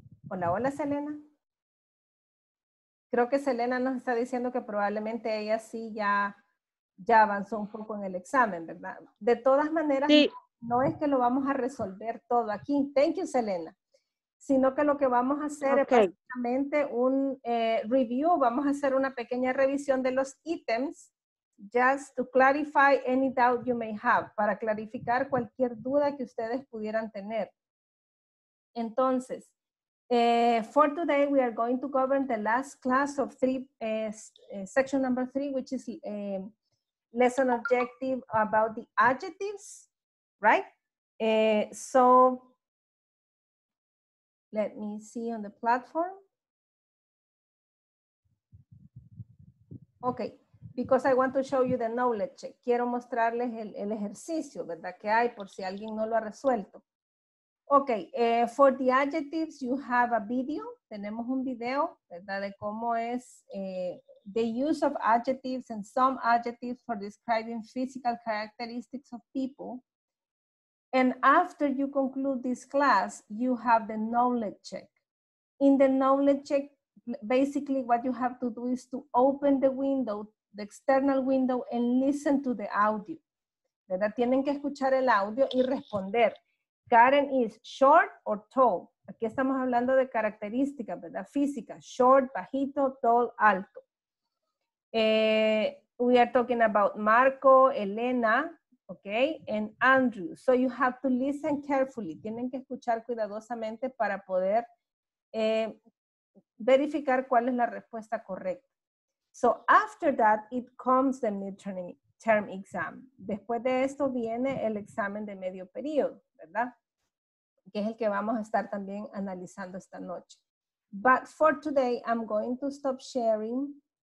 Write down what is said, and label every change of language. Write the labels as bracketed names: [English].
[Spanish] Hola, hola Selena. Creo que Selena nos está diciendo que probablemente ella sí ya avanzó un poco en el examen, ¿verdad? De todas maneras, sí. No es que lo vamos a resolver todo aquí. [English] Thank you, [Spanish] Selena. Sino que lo que vamos a hacer [English] okay. [Spanish] Es básicamente un review. Vamos a hacer una pequeña revisión de los ítems. [English] Just to clarify any doubt you may have. [Spanish] Para clarificar cualquier duda que ustedes pudieran tener. Entonces. [English] For today, we are going to cover the last class of three, section number three, which is lesson objective about the adjectives, right? So, let me see on the platform. Okay, because I want to show you the knowledge. [Spanish] Quiero mostrarles el ejercicio, ¿verdad? Que hay por si alguien no lo ha resuelto. [English] Okay, for the adjectives, you have a video. [Spanish] Tenemos un video, ¿verdad? De cómo es [English] the use of adjectives and some adjectives for describing physical characteristics of people. And after you conclude this class, you have the knowledge check. In the knowledge check, basically what you have to do is to open the window, the external window, and listen to the audio, [Spanish] ¿verdad? Tienen que escuchar el audio y responder. [English] Karen is short or tall. [Spanish] Aquí estamos hablando de características, ¿verdad? Física, short, bajito, tall, alto. [English] We are talking about Marco, Elena, okay, and Andrew. So you have to listen carefully. [Spanish] Tienen que escuchar cuidadosamente para poder verificar cuál es la respuesta correcta. [English] So after that, it comes the midterm exam. [Spanish] Después de esto viene el examen de medio periodo, ¿verdad? Que es el que vamos a estar también analizando esta noche. [English] But for today, I'm going to stop sharing.